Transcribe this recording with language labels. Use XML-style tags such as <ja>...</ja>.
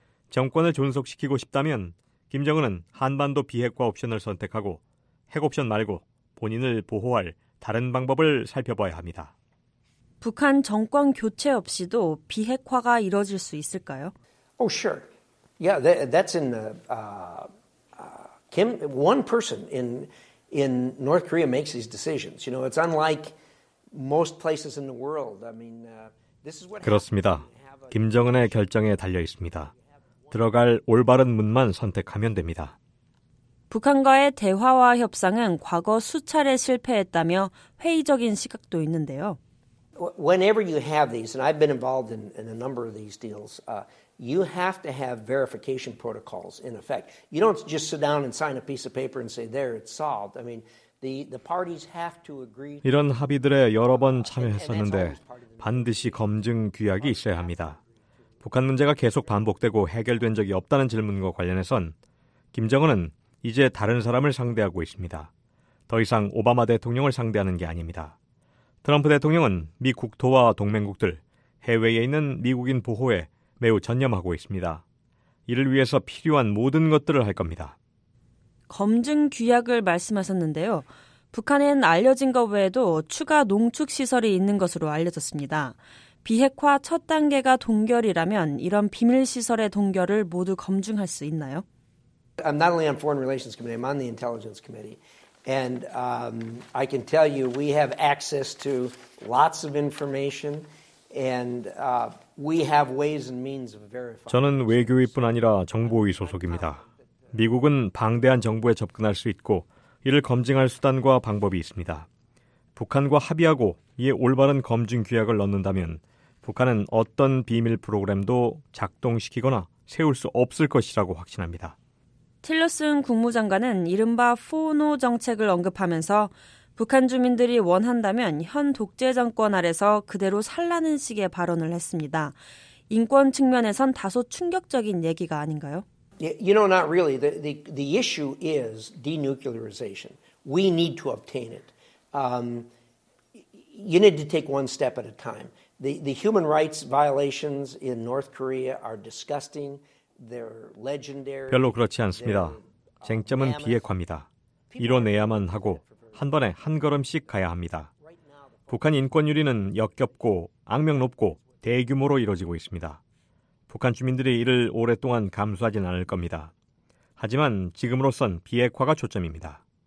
<ko>정권을 존속시키고 싶다면 김정은은 한반도 비핵화 옵션을 선택하고 핵 옵션 말고 본인을 보호할 다른 방법을 살펴봐야 합니다. 북한 정권 교체 없이도 비핵화가 이뤄질 수 있을까요?</ko> <en>Oh, sure. Yeah, that's in the Kim. One person in North Korea makes these decisions. You know, it's unlike most places in the world. I mean, this is what.</en> <ko>그렇습니다. 김정은의 결정에 달려 있습니다. 들어갈 올바른 문만 선택하면 됩니다. 북한과의 대화와 협상은 과거 수차례 실패했다며 회의적인 시각도 있는데요.</ko> <en>Whenever you have these, and I've been involved in a number of these deals. You have to have verification protocols in effect. You don't just sit down and sign a piece of paper and say there it's solved. I mean, the parties have to agree.</en> <ko>이런 합의들에 여러 번 참여했었는데 반드시 검증 규약이 있어야 합니다. 북한 문제가 계속 반복되고 해결된 적이 없다는 질문과 관련해선 김정은은 이제 다른 사람을 상대하고 있습니다. 더 이상 오바마 대통령을 상대하는 게 아닙니다. 트럼프 대통령은 미 국토와 동맹국들, 해외에 있는 미국인 보호에 매우 전념하고 있습니다. 이를 위해서 필요한 모든 것들을 할 겁니다. 검증 규약을 말씀하셨는데요. 북한엔 알려진 것 외에도 추가 농축시설이 있는 것으로 알려졌습니다. 비핵화 첫 단계가 동결이라면 이런 비밀시설의 동결을 모두 검증할 수 있나요?</ko> <en>I'm not only on Foreign Relations Committee, I'm on the Intelligence Committee. And I can tell you we have access to lots of information and we have ways and means of verifying.</en> <ko>저는 외교위뿐 아니라 정보위 소속입니다. 미국은 방대한 정보에 접근할 수 있고 이를 검증할 수단과 방법이 있습니다. 북한과 합의하고 이에 올바른 검증 규약을 넣는다면 북한은 어떤 비밀 프로그램도 작동시키거나 세울 수 없을 것이라고 확신합니다. 틸러슨 국무장관은 이른바 4-NO 정책을 언급하면서 북한 주민들이 원한다면 현 독재 정권 아래서 그대로 살라는 식의 발언을 했습니다. 인권 측면에선 다소 충격적인 얘기가 아닌가요?</ko> <en>You know, not really. The issue is denuclearization. We need to obtain it. You need to take one step at a time. The human rights violations in North Korea are disgusting. They're legendary.</en> <ko>별로 그렇지 않습니다. 쟁점은 비핵화입니다. 이뤄내야만 하고 한 번에 한 걸음씩 가야 합니다. 북한 인권 유린은 역겹고 악명 높고 대규모로 이루어지고 있습니다. 북한 주민들이 이를 오랫동안 감수하진 않을 겁니다. 하지만 지금으로선 비핵화가 초점입니다.</ko>